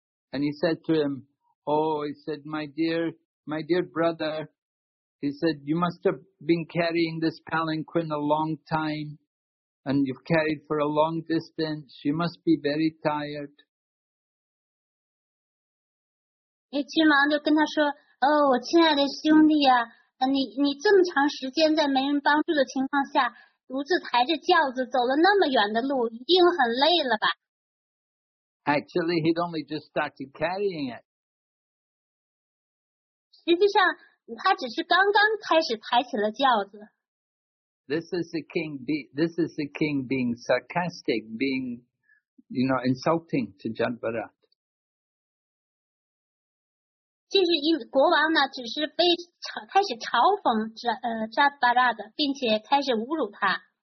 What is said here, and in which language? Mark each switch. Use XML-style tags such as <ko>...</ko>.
<en>And he said to him, "Oh," he said, my dear brother," he said, "you must have been carrying this palanquin a long time. And you've carried for a long distance, you must be very tired."</en> <zh>君王就跟他说, "Oh, 亲爱的兄弟啊, 你这么长时间在没人帮助的情况下, 独自抬着轿子走了那么远的路, 一定很累了吧?</zh> <en>Actually, he'd only just started carrying it.</en> <zh>实际上,他只是刚刚开始抬起了轿子。</zh> <en>This is the king being sarcastic, being, you know, insulting to Jad Bharat.</en> <zh>就是因为国王呢，只是被开始嘲讽Jad Bharat，并且开始侮辱他。</zh>